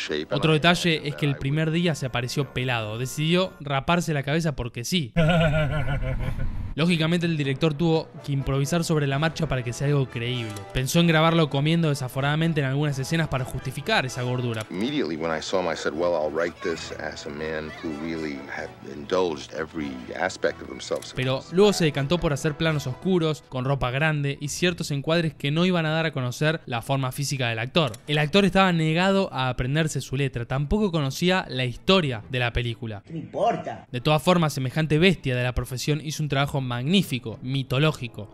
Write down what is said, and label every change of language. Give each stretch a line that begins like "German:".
Spanish: Otro detalle es que el primer día se apareció pelado, decidió raparse la cabeza porque sí. Lógicamente el director tuvo que improvisar sobre la marcha para que sea algo creíble. Pensó en grabarlo comiendo desaforadamente en algunas escenas para justificar esa gordura.
English: Immediately when I saw him, I said, well, I'll write this as a man who really had indulged every aspect of himself.
Spanish: Pero luego se decantó por hacer planos oscuros, con ropa grande y ciertos encuadres que no iban a dar a conocer la forma física del actor. El actor estaba negado a aprenderse su letra, tampoco conocía la historia de la película. ¿Qué importa? De todas formas, semejante bestia de la profesión hizo un trabajo magnífico, mitológico.